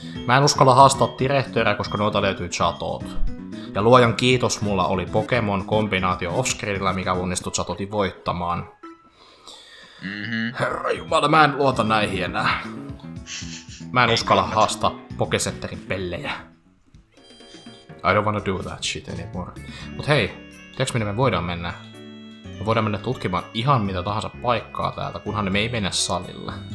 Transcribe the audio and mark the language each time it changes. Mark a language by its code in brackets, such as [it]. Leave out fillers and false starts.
[fi] Mä en uskalla haastaa direktöörä, koska noita löytyy chatot. Ja luojan kiitos, mulla oli Pokemon kombinaatio offscreenillä, mikä onnistui chatotin voittamaan. Mm-hmm. Herra jumala, mä en luota näihin enää. Mä en uskalla haastaa Pokesetterin pellejä. [en] I don't wanna do that shit anymore. [fi] Mut hei, tiiäks minne me voidaan mennä? Me voidaan mennä tutkimaan ihan mitä tahansa paikkaa täältä, kunhan me ei mennä salille.